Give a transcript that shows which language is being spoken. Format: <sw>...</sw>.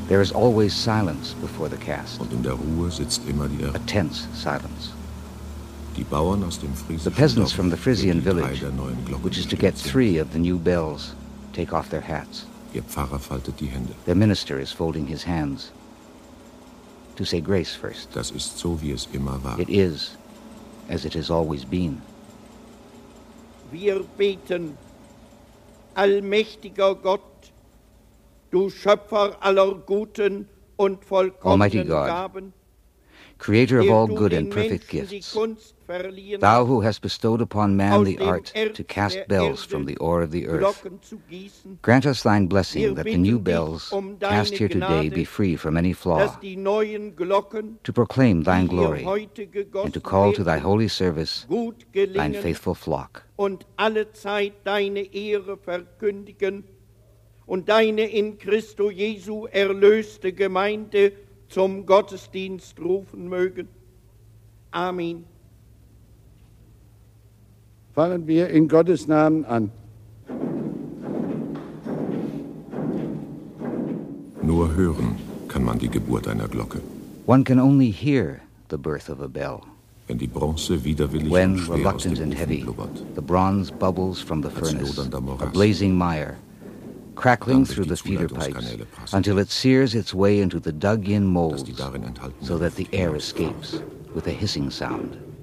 <en>There is always silence before the cast.</en> <de>Und in der Ruhe sitzt immer die</de> <en>A tense silence.</en> <de>Die Bauern aus dem Friesischen</de> <en>the peasants from the Frisian village,</en> <de>der neuen Glocken</de> <en>which is to get three of the new bells, take off their hats.</en> <de>Ihr Pfarrer faltet die Hände.</de> <en>Their minister is folding his hands to say grace first.</en> <de>Das ist so, wie es immer war.</de> <en>It is as it has always been.</en> <de>Wir beten, allmächtiger Gott, du Schöpfer aller guten und vollkommenen Gaben,</de> <en>Creator of all good and perfect gifts, Thou who hast bestowed upon man the art to cast bells from the ore of the earth, grant us thine blessing that the new bells cast here today be free from any flaw, to proclaim thine glory and to call to thy holy service thine faithful flock.</en> <de>Und alle Zeit deine Ehre verkündigen, und deine in Christo Jesu erlöste Gemeinde zum Gottesdienst rufen mögen. Amen. Fangen wir in Gottes Namen an. Nur hören kann man die Geburt einer Glocke.</de> <en>One can only hear the birth of a bell.</en> <de>Wenn die Bronze widerwillig when, und schwer aus dem</de> <en>and heavy,</en> <de>blubbert,</de> <en>the bronze bubbles from the furnace, a blazing mire, crackling through the feeder pipes, until it sears its way into the dug-in molds, so that the air escapes with a hissing sound.</en>